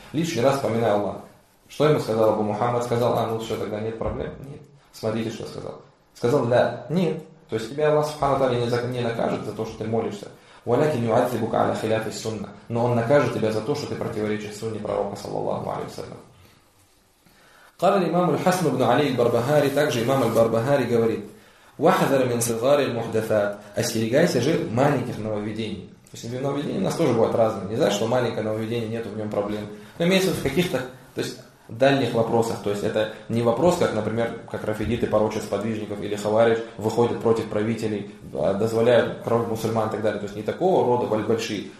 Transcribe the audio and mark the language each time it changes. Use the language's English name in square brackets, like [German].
[Russian] Лишний раз вспоминаю Аллах. Что ему сказал Абу Мухаммад? Сказал, а ну все, тогда нет проблем. Нет. Смотрите, что сказал. Сказал, да, нет. То есть тебя Аллах субхана тааля не накажет за то, что ты молишься. [Arabic] Валякин юадзибука аля хиляфи сунна. [Russian] Но он накажет тебя за то, что ты противоречишь сунне пророка, саллаллаху алейхи ва саллям. [Arabic] قال الإمام الحسن بن علي البربهاري [Russian] также [Arabic] إمام البربهاري [Russian] говорит [Arabic] واحذر من صغار المحدثات [Russian] остерегайся же маленьких нововведений. То есть нововведения у нас тоже бывают разные. Не значит, что маленькое нововведение, нет в нем проблем. Но имеется в каких-то, то есть дальних вопросах. То есть это не вопрос, как, например, как рафидиты порочат сподвижников или хавариш выходят против правителей, дозволяют кровь мусульман и так далее. То есть не такого рода большие.